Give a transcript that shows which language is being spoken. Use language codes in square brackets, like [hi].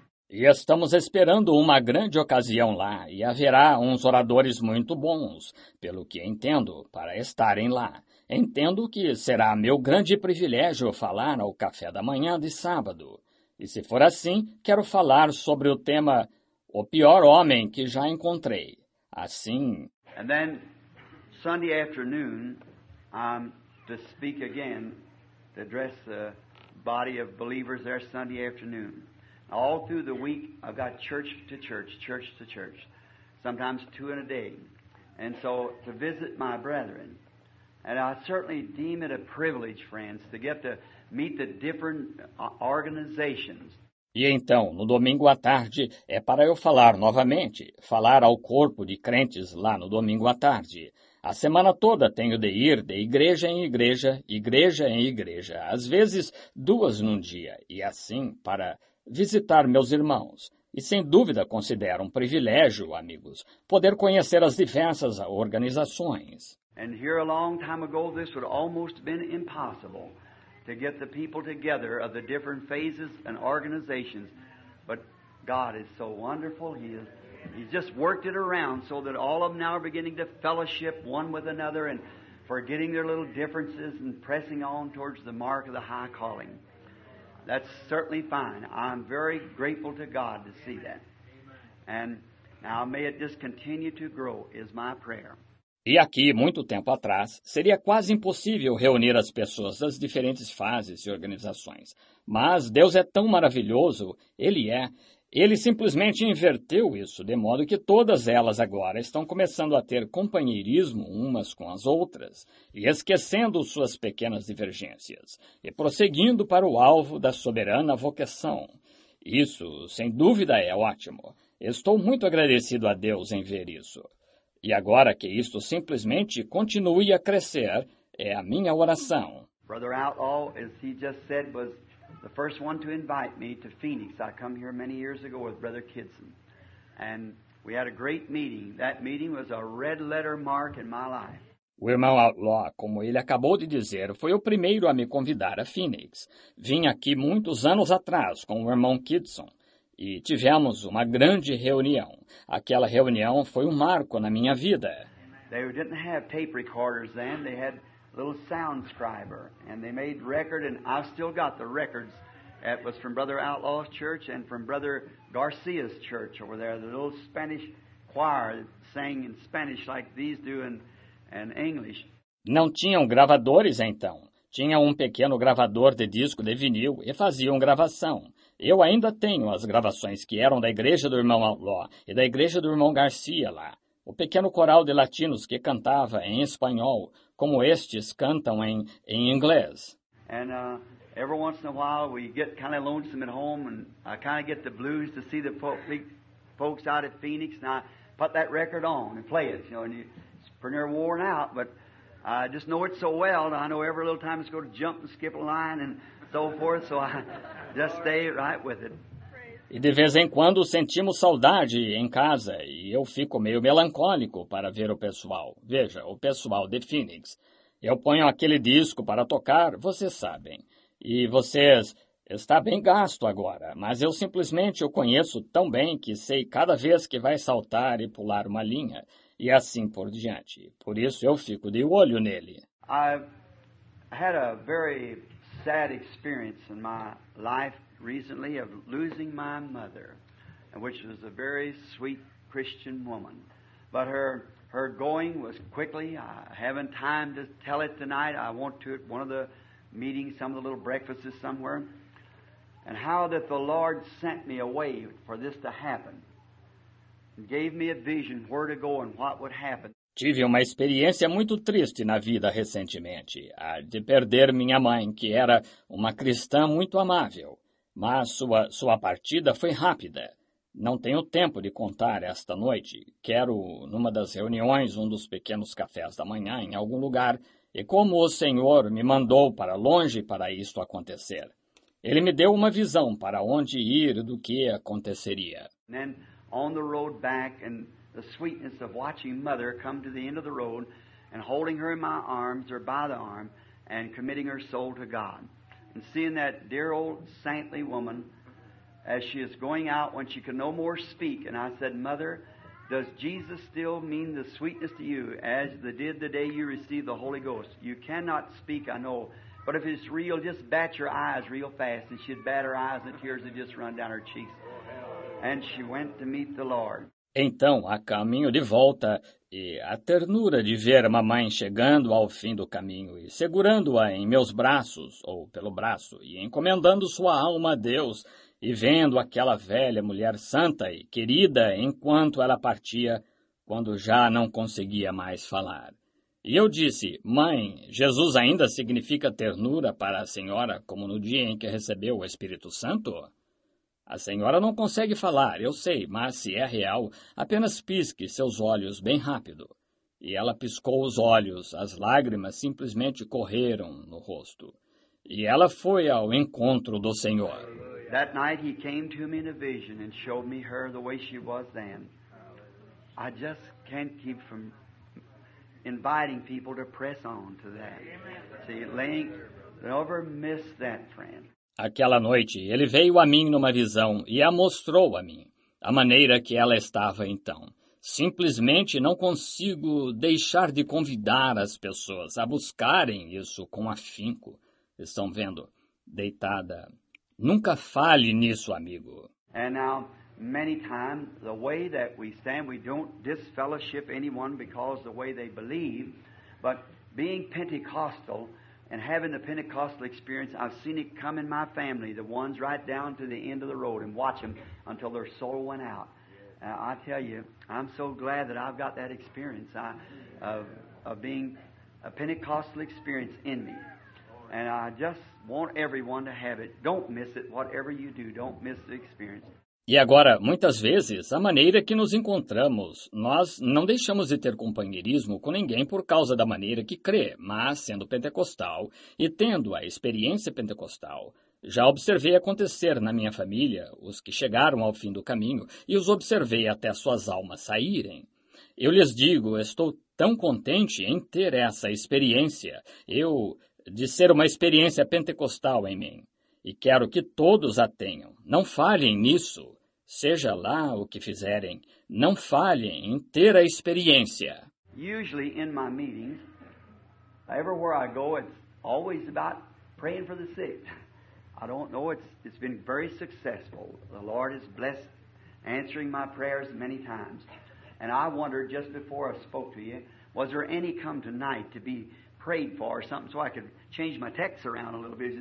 [pt] E estamos esperando uma grande ocasião lá, e haverá uns oradores muito bons, pelo que entendo, para estarem lá. Entendo que será meu grande privilégio falar ao café da manhã de sábado. E se for assim, quero falar sobre o tema O Pior Homem que Já Encontrei. Assim... [en] And then, Sunday afternoon, I'm to speak again, to address the body of believers there Sunday afternoon. All through the week, I've got church to church, church to church, sometimes two in a day. And so to visit my brethren, and I certainly deem it a privilege, friends, to get to meet the different organizations. [pt] E então, no domingo à tarde, é para eu falar novamente, falar ao corpo de crentes lá no domingo à tarde. A semana toda tenho de ir de igreja em igreja, igreja em igreja, às vezes duas num dia, e assim para... visitar meus irmãos, e sem dúvida considero um privilégio, amigos, poder conhecer as diversas organizações. [en] And here a long time ago this would almost have been impossible to get the people together of the different phases and organizations, but God is so wonderful, he's just worked it around so that all of them now are beginning to fellowship one with another and forgetting their little differences and pressing on towards the mark of the high calling. That's certainly fine. I'm very grateful to God to see that. And now may it just continue to grow is my prayer. [pt] E aqui, muito tempo atrás, seria quase impossível reunir as pessoas das diferentes fases e organizações. Mas Deus é tão maravilhoso, Ele é. Ele simplesmente inverteu isso, de modo que todas elas agora estão começando a ter companheirismo umas com as outras, e esquecendo suas pequenas divergências, e prosseguindo para o alvo da soberana vocação. Isso, sem dúvida, é ótimo. Estou muito agradecido a Deus em ver isso. E agora que isto simplesmente continue a crescer, é a minha oração. [en] Brother Outlaw, as he just said, was the first one to invite me to Phoenix. I come here many years ago with Brother Kidson. And we had a great meeting. That meeting was a red letter mark in my life. [pt] O irmão Outlaw, como ele acabou de dizer, foi o primeiro a me convidar a Phoenix. Vim aqui muitos anos atrás com o irmão Kitson e tivemos uma grande reunião. Aquela reunião foi um marco na minha vida. [en] They didn't have tape recorders then. They had a little sound scriber, and they made record, and I still got the records. It was from Brother Outlaw's church and from Brother Garcia's church over there. The little Spanish choir sang in Spanish like these do in English. [pt] Não tinham gravadores então. Tinha um pequeno gravador de disco de vinil e faziam gravação. Eu ainda tenho as gravações que eram da igreja do irmão Outlaw e da igreja do irmão Garcia lá. O pequeno coral de latinos que cantava em espanhol, como estes cantam em inglês. [en] And every once in a while we get kind of lonesome at home and I kind of get the blues to see the folks out at Phoenix and I put that record on and play it, you know, and it's pretty near worn out, but I just know it so well and I know every little time it's going to jump and skip a line and so forth, so I just stay right with it. [pt] E de vez em quando sentimos saudade em casa e eu fico meio melancólico para ver o pessoal. Veja, o pessoal de Phoenix. Eu ponho aquele disco para tocar, vocês sabem. E vocês, está bem gasto agora, mas eu simplesmente o conheço tão bem que sei cada vez que vai saltar e pular uma linha. E assim por diante. Por isso eu fico de olho nele. [en] I've had a very sad experience in my life recently of losing my mother, which was a very sweet Christian woman, but her going was quickly. I haven't time to tell it tonight. I want to at one of the meetings, some of the little breakfasts somewhere, and how that the Lord sent me away for this to happen and gave me a vision where to go and what would happen. [pt] Tive uma experiência muito triste na vida recentemente, a de perder minha mãe, que era uma cristã muito amável. Mas sua partida foi rápida. Não tenho tempo de contar esta noite. Quero, numa das reuniões, um dos pequenos cafés da manhã em algum lugar, e como o Senhor me mandou para longe para isto acontecer. Ele me deu uma visão para onde ir e do que aconteceria. [en] E then on the road back, and the sweetness of watching mother come to the end of the road and holding her in my arms or by the arm and committing her soul to God. And seeing that dear old saintly woman as she is going out when she can no more speak. And I said, Mother, does Jesus still mean the sweetness to you as it did the day you received the Holy Ghost? You cannot speak, I know. But if it's real, just bat your eyes real fast. And she'd bat her eyes and tears would just run down her cheeks. And she went to meet the Lord. [pt] Então, a caminho de volta, e a ternura de ver a mamãe chegando ao fim do caminho e segurando-a em meus braços, ou pelo braço, e encomendando sua alma a Deus, e vendo aquela velha mulher santa e querida enquanto ela partia, quando já não conseguia mais falar. E eu disse, Mãe, Jesus ainda significa ternura para a senhora, como no dia em que recebeu o Espírito Santo? A senhora não consegue falar, eu sei, mas se é real, apenas pisque seus olhos bem rápido. E ela piscou os olhos, as lágrimas simplesmente correram no rosto. E ela foi ao encontro do Senhor. [en] That night he came to me in a vision and showed me her the way she was then. I just can't keep from inviting people to press on to that. See, Link, never miss that, friend. [pt] Aquela noite, ele veio a mim numa visão e a mostrou a mim, a maneira que ela estava então. Simplesmente não consigo deixar de convidar as pessoas a buscarem isso com afinco. Estão vendo? Deitada. Nunca fale nisso, amigo. E agora, [en] many times, the way that we stand, we don't disfellowship anyone because the way they believe, but being Pentecostal, and having the Pentecostal experience, I've seen it come in my family, the ones right down to the end of the road, and watch them until their soul went out. I tell you, I'm so glad that I've got that experience of being a Pentecostal experience in me. And I just want everyone to have it. Don't miss it. Whatever you do, don't miss the experience. [pt] E agora, muitas vezes, a maneira que nos encontramos, nós não deixamos de ter companheirismo com ninguém por causa da maneira que crê, mas, sendo pentecostal e tendo a experiência pentecostal, já observei acontecer na minha família os que chegaram ao fim do caminho e os observei até suas almas saírem. Eu lhes digo, estou tão contente em ter essa experiência, eu de ser uma experiência pentecostal em mim, e quero que todos a tenham. Não falhem nisso, seja lá o que fizerem, não falhem em ter a experiência. [en] Usually in my meetings, everywhere I go, it's always about praying for the sick. I don't know, it's been very successful. The Lord has blessed answering my prayers many times. And I wondered just before I spoke to you, was there any come tonight to be prayed for or something so I could change my text around a little bit?